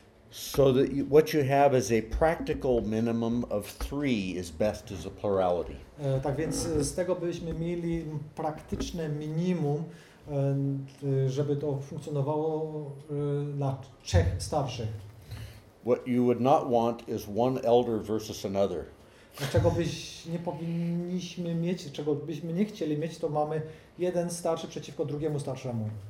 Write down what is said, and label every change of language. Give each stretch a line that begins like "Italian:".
English: So that you, what you have is a practical minimum of three is best as a plurality.
Polish: Tak więc z tego byśmy mieli praktyczne minimum, żeby to funkcjonowało na trzech starszych.
English: What you would not want is one elder versus another.
Polish: Czego byś nie powinniśmy mieć, czego byśmy nie chcieli mieć, to mamy jeden starszy przeciwko drugiemu starszemu.